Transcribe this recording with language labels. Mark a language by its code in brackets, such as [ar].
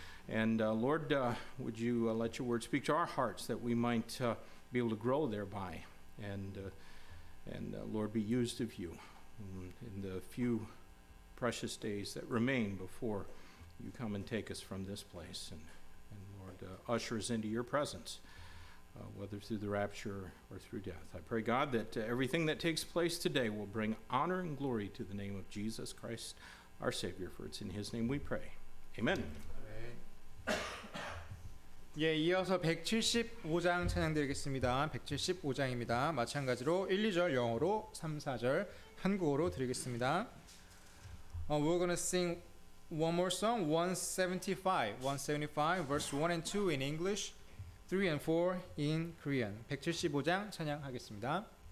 [en] And Lord, would you let your word speak to our hearts that we might be able to grow thereby and Lord, be used of you in the few precious days that remain before you come and take us from this place. And Lord, usher us into your presence. Whether through the rapture or through death. I pray, God, that everything that takes place today will bring honor and glory to the name of Jesus Christ, our Savior, for it's in his name we pray. Amen. [ko] 예, 이어서 175장 찬양드리겠습니다. 175장입니다. 마찬가지로 1, 2절 영어로, 3, 4절 한국어로 드리겠습니다. [en] We're going to sing one more song, 175, verse 1 and 2 in English. 3 and 4 in Korean. [ko] 175장 찬양하겠습니다.